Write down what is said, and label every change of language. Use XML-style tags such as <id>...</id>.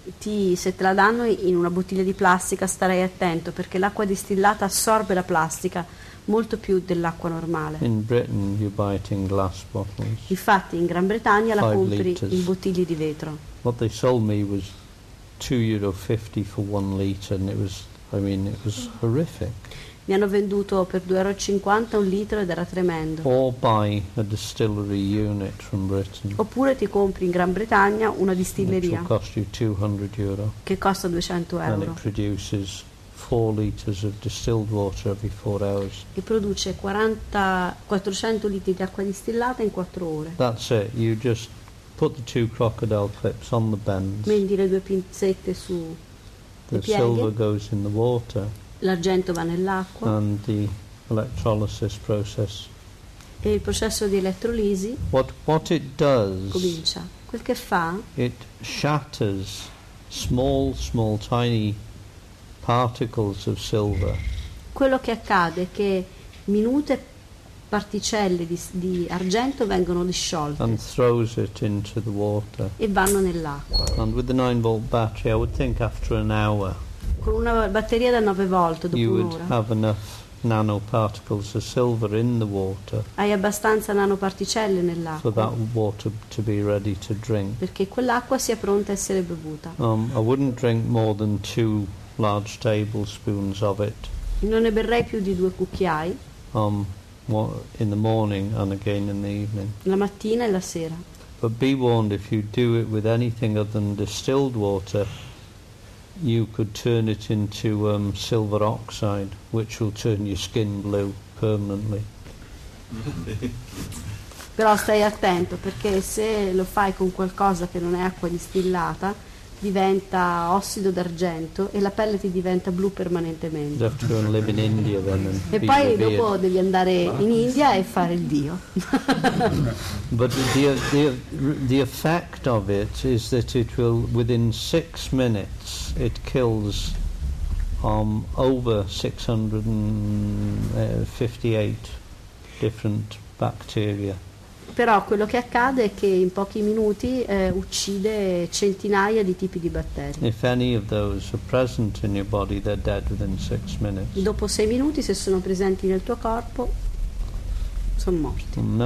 <it>Se te la danno in una bottiglia di plastica, starei attento perché l'acqua distillata assorbe la plastica molto più dell'acqua normale.</it> <en>In Britain you buy it in glass bottles.</en> <it>Infatti in Gran Bretagna la compri liters in bottiglie di vetro.</it> <en>What they sold me was €2.50 for 1 liter, and it was horrific.</en> <it>Mi hanno venduto per €2.50 un litro ed era tremendo.</it> <en>Or buy a distillery unit from Britain.</en> <it>Oppure ti compri in Gran Bretagna una distilleria.</it> <en>Which will cost you €200.</en> <it>Che costa 200 euro.</it> <en>And it produces 4 liters of distilled water every 4 hours.</en> <it>E produce 400 litri di acqua distillata in 4 ore.</it> <en>That's it. You just put the two crocodile clips on the bends.</en> <it>Metti le due pinzette su.</it> <en>The</en> <it>pieghe.</it> <en>Silver goes in the water.</en> <it>L'argento va nell'acqua.</it> <en>And the electrolysis process</en> <it>e il processo di elettrolisi</it> <en>what it does,</en> <it>comincia. Quel che fa,</it> <en>it shatters small tiny particles of silver.</en> <it>Quello che accade è che minute particelle di argento vengono disciolte</it> <en>and throws it into the water.</en> <it>E vanno nell'acqua.</it> <en>And with the 9 volt battery, I would think after an hour,</en> <it>con una batteria da 9 volt dopo</it> <en>you</en> <it>un'ora,</it> <en>would have enough nanoparticles of silver in the water.</en> <it>Hai abbastanza nanoparticelle nell'acqua.</it> <en>For that water to be ready to drink.</en> <it>Perché quell'acqua sia pronta a essere bevuta.</it> <en>I wouldn't drink more than 2 large tablespoons of it.</en> <it>Non ne berrei più di 2 cucchiai.</it> <en>In the morning and again in the evening.</en> <it>La mattina e la sera.</it> <en>But be warned, if you do it with anything other than distilled water, you could turn it into silver oxide, which will turn your skin blue permanently.</en> <it>Però stai attento, perché se lo fai con qualcosa che non è acqua distillata, diventa ossido d'argento e la pelle ti diventa blu permanentemente.</it> <en>You have to go and live in India then and</en> <it>e poi dopo devi andare in India e fare il dio.</it> <en>But the effect of it is that it will, within 6 minutes, it kills over 658 different bacteria.</en> <it>Però quello che accade è che in pochi minuti uccide centinaia di tipi di batteri.</it> <en>If any of those are present in your body, they're dead within 6 minutes.</en> <it>Dopo 6 minuti, se sono presenti nel tuo corpo, sono morti.</it>